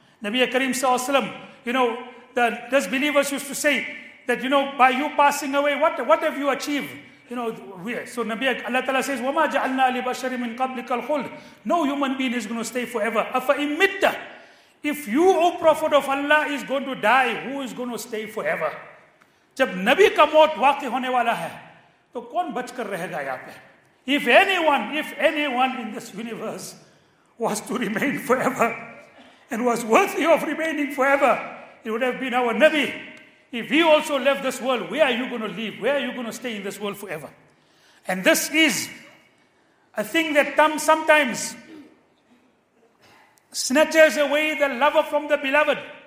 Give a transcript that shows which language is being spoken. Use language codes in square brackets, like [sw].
[en] Nabi Karim sallallahu alayhi wa sallam, you know, the disbelievers used to say that, you know, by you passing away, what have you achieved? You know, so Nabi Allah Ta'ala says, [ar] وَمَا جَعَلْنَا لِبَشَرٍ مِنْ قَبْلِكَ الْخُلْدِ. [en] No human being is going to stay forever. [ar] أَفَإِنْ مِتَّ. [en] If you, O Prophet of Allah, is going to die, who is going to stay forever? [ur] جب نبی کا موت واقع ہونے والا ہے, تو کون بچ کر رہے گا یہاں پہ? [en] If anyone in this universe was to remain forever, and was worthy of remaining forever, it would have been our Nabi. If he also left this world, where are you going to live? Where are you going to stay in this world forever? And this is a thing that sometimes snatches away the lover from the beloved.